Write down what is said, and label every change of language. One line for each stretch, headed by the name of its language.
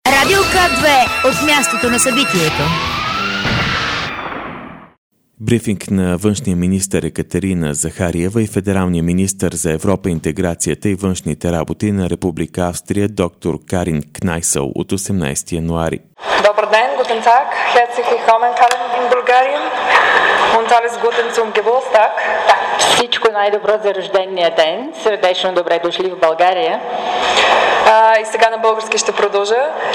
Bulgarian: 2 от мястото на събитието. Брифинг на външния министър Екатерина Захариева и федералния министър за Европа, интеграцията и външните работи на Република Австрия доктор Карин Кнайсъл от 18 януари. Добър ден,
German: guten Tag, herzlich willkommen Karin in Bulgarien. Und alles Gute zum Geburtstag.
Bulgarian: Всичко най-добро за рождения ден. Сърдечно добре дошли в България. И сега на български ще продължа.